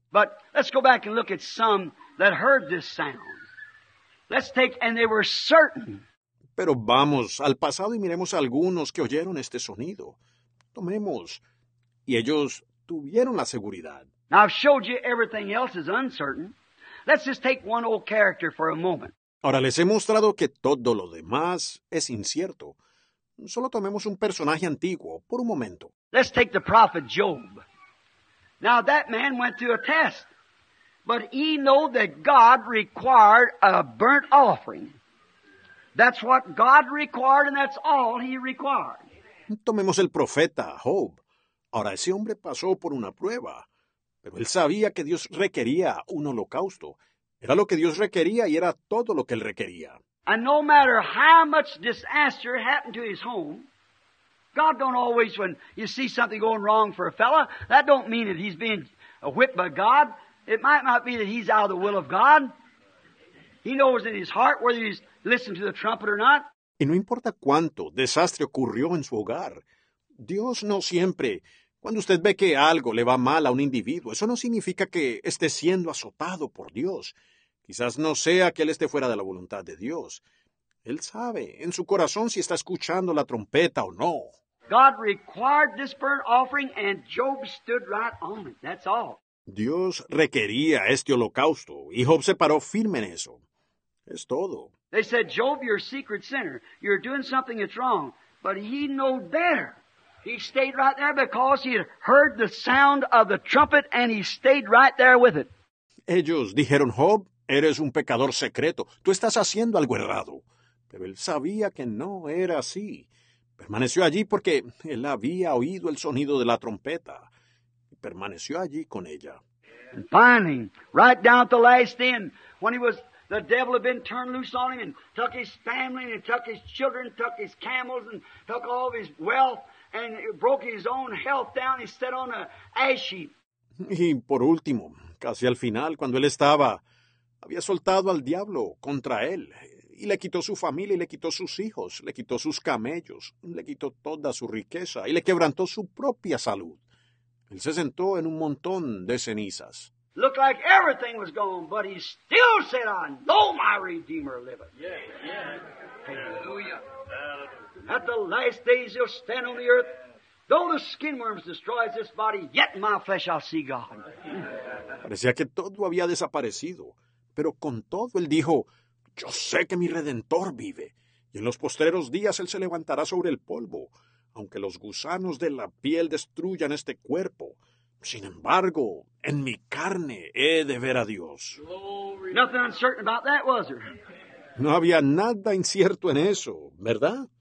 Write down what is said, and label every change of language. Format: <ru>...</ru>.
<en>But let's go back and look at some that heard this sound. Let's take, and they were certain.</en> <es>Pero vamos al pasado y miremos a algunos que oyeron este sonido. Tomemos, y ellos tuvieron la seguridad.</es> <en>Now I've showed you everything else is uncertain. Let's just take one old character for a moment.</en> <es>Ahora les he mostrado que todo lo demás es incierto. Solo tomemos un personaje antiguo, por un momento.</es> <en>Let's take the prophet Job. Now that man went through a test. But he knew that God required a burnt offering. That's what God required, and that's all he required.</en> <es>Tomemos el profeta Job. Ahora, ese hombre pasó por una prueba, pero él sabía que Dios requería un holocausto. Era lo que Dios requería y era todo lo que él requería.</es> <en>And no matter how much disaster happened to his home, God don't always, when you see something going wrong for a fella, that don't mean that he's being whipped by God. It might not be that he's out of the will of God. He knows in his heart whether he's listened to the trumpet or not.</en> <es>Y no importa cuánto desastre ocurrió en su hogar, Dios no siempre, cuando usted ve que algo le va mal a un individuo, eso no significa que esté siendo azotado por Dios. Quizás no sea que él esté fuera de la voluntad de Dios. Él sabe en su corazón si está escuchando la trompeta o no.</es> <en>God required this burnt offering and Job stood right on it. That's all.</en> <es>Dios requería este holocausto, y Job se paró firme en eso. Es todo.</es> <en>They said, Job, you're a secret sinner. You're doing something that's wrong. But he knew better. He stayed right there because he had heard the sound of the trumpet, and he stayed right there with it.</en> <es>Ellos dijeron, Job, eres un pecador secreto. Tú estás haciendo algo errado. Pero él sabía que no era así. Permaneció allí porque él había oído el sonido de la trompeta. Permaneció allí con ella.</es> <en>And finally, right down at the last end, when he was, the devil had been turned loose on him and took his family and took his children, took his camels and took all of his wealth and broke his own health down. He sat on an ash heap.</en> <es>Y por último, casi al final, cuando él estaba, había soltado al diablo contra él y le quitó su familia y le quitó sus hijos, le quitó sus camellos, le quitó toda su riqueza y le quebrantó su propia salud. Él se sentó en un montón de cenizas.</es> <en>Looked like everything was gone, but he still said, I know my Redeemer liveth. Yeah. Hallelujah. At the last days, he'll stand on the earth. Though the skin worms destroys this body, yet in my flesh I'll see God.</en> <es>Parecía que todo había desaparecido, pero con todo él dijo, yo sé que mi Redentor vive, y en los postreros días él se levantará sobre el polvo, aunque los gusanos de la piel destruyan este cuerpo. Sin embargo, en mi carne he de ver a Dios.</es> <en>Nothing uncertain about that, was there?</en> <es>No había nada incierto en eso, ¿verdad?</es>